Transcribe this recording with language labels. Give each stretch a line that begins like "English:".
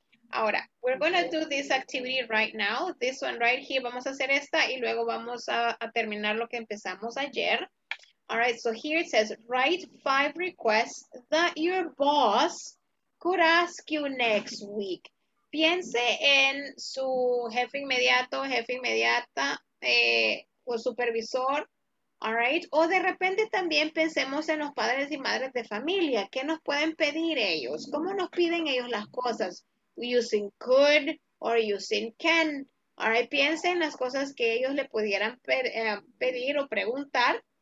English: Ahora, we're going to do this activity right now. This one right here.
Spanish: Vamos a hacer esta y luego vamos a terminar lo que empezamos ayer.
English: All right, so here it says, write 5 requests that your boss could ask you next week.
Spanish: Piense en su jefe inmediato, jefe inmediata, o supervisor. All right, o de repente también pensemos en los padres y madres de familia. ¿Qué nos pueden pedir ellos? ¿Cómo nos piden ellos las cosas?
English: Using could or using can. All right,
Spanish: piensen en las cosas que ellos le pudieran pedir o preguntar.